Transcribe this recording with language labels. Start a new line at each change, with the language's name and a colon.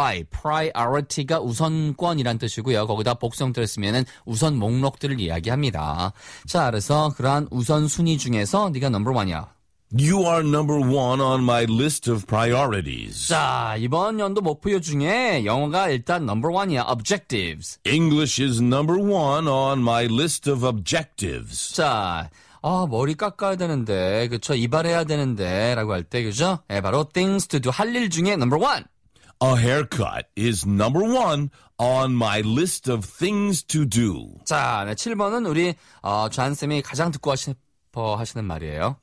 Korean: Priority가 우선권이란 뜻이고요. 거기다 복수형태를 쓰면은 우선 목록들을 이야기합니다. 자, 그래서 그러한 우선순위 중에서 네가
English: number one
Korean: 이야.
English: You are number one on my list of priorities.
Korean: 자, 이번 연도 목표 중에 영어가 일단
English: number one
Korean: 이야.
English: Objectives. English is number one on my list of objectives.
Korean: 자, 머리 깎아야 되는데, 그쵸? 이발해야 되는데, 라고 할 때, 그죠? 예, 바로
English: things to do.
Korean: 할 일 중에
English: number one. A haircut is number one on my list of things to do.
Korean: 자, 네, 7번은 우리, 존쌤이 가장 듣고 싶어 하시는 말이에요.